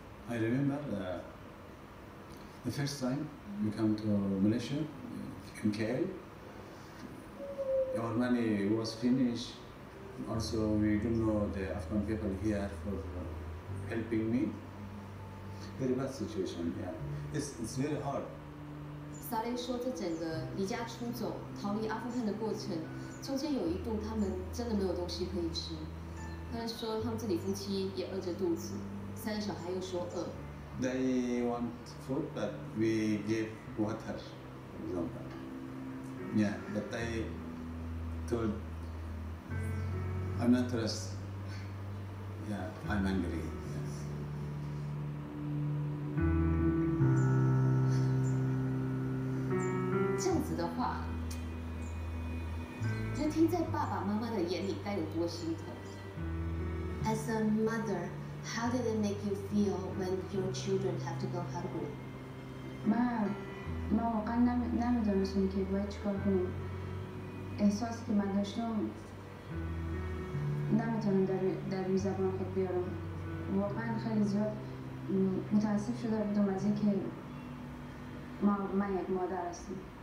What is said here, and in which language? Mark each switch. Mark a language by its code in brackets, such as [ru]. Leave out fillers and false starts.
[en] I remember the first time we come to Malaysia, in KL. Our money was finished. Also, we don't know the Afghan people here for helping me. Very bad situation, yeah. It's very hard. [zh] 萨雷说这整个离家出走逃离阿富汗的过程中间有一度他们真的没有东西可以吃，他说他们自己夫妻也饿着肚子，三个小孩又说饿。 [en] They want food but we give water for example. Yeah, but they told I'm not rest. Yeah, I'm angry [zh] 这样子的话，就听在爸爸妈妈的眼里该有多心疼。 [en] As a mother, how did it make you feel when your children have to go hungry? [fa] ما واقعا نمیدونستم که باید چیکار کنم. احساسی که من داشتم نمیتونم در روی زبان خود بیارم. واقعا خیلی زیاد متاسف شده بودم از اینکه من یک مادر هستم.